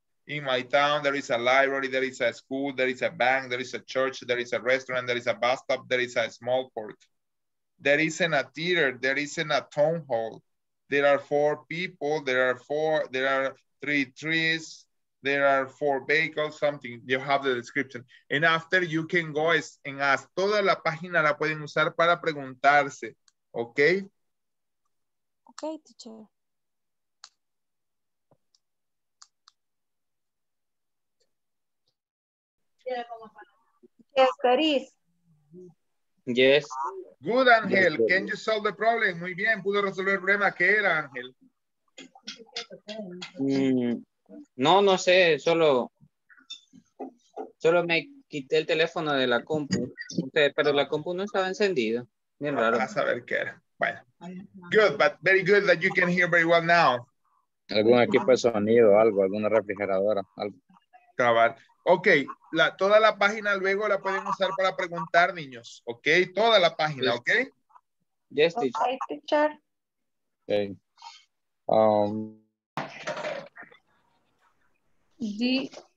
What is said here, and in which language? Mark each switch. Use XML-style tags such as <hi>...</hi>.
<en>In my town, there is a library, there is a school, there is a bank, there is a church, there is a restaurant, there is a bus stop, there is a small port. There isn't a theater, there isn't a town hall. There are four people, there are three trees, there are four vehicles, something, you have the description. And after you can go and ask.</en> <es>Toda la página la pueden usar para preguntarse, okay?</es> <en>Okay, teacher. Yes, that is. Yes. Good, Angel. Can you solve the problem?</en> <es>Muy bien. ¿Pudo resolver el problema? ¿Qué era, Angel? No, no sé. Solo me quité el teléfono de la compu. Pero la compu no estaba encendida. Bien raro. Vamos a ver qué era. Bueno.</es> <en>Good, but very good that you can hear very well now.</en> <es>Algún equipo de sonido, algo, alguna refrigeradora, algo. Cabal. Ok, toda la página luego la pueden usar para preguntar, niños. Ok, toda la página, ok.</es> <en>Yes, teacher. Okay, teacher. Okay.</en>